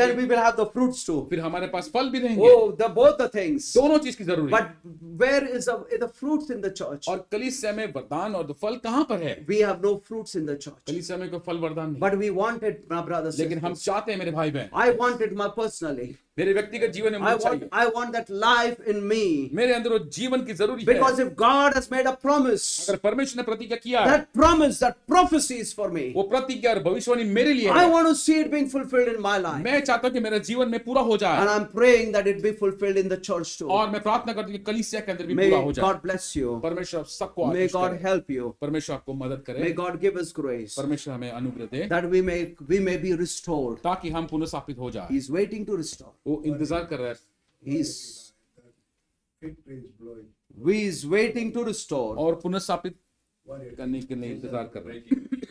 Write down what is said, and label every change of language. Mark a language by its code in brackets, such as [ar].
[en] Then we will have the fruits too. [hi] फिर हमारे पास फल भी रहेंगे. [en] Both the things. [hi] दोनों चीज की जरूरी. [en] But where is the fruits in the church? [hi] और कलीसिया में वरदान और फल कहाँ पर है? [en] We have no fruits in the church. [hi] कलीसिया में कोई फल वरदान नहीं. [en] But we want it, my brothers. [hi] लेकिन हम चाहते हैं मेरे भाई बहन. [en] I want it, my personally. [hi] मेरे व्यक्तिगत जीवन में [en] I want that life in me. [hi] मेरे अंदर वो जीवन की जरूरी है. [en] Because if God has made a promise, [hi] अगर परमेश्वर ने प्रतिज्ञा किया है, [en] that promise, that prophecy is for me. [hi] वो प्रतिज्ञा और भविष्यवाणी मेरे लिए है. [en] I want to see it being fulfilled in my life. [hi] मैं चाहता हूँ कि मेरा जीवन में पूरा हो जाए. [en] And I'm praying that it be fulfilled in the church too. [hi] और मैं प्रार्थना करता हूँ कि कलीसिया के अंदर भी पूरा हो जाए. [en] God bless you. [hi] परमेश्वर सबको [en] May God help you. [hi] परमेश्वर आपको मदद करे. [en] May God give us grace. [hi] परमेश्वर हमें अनुग्रह दे. [en] That we may be restored. [hi] ताकि हम पुनर्स्थापित हो जाए. [en] He is waiting to restore. [hi] वो इंतजार कर रहा है. [en] He is waiting to restore. [hi] और पुनर्स्थापित करने के लिए इंतजार कर रहे हैं.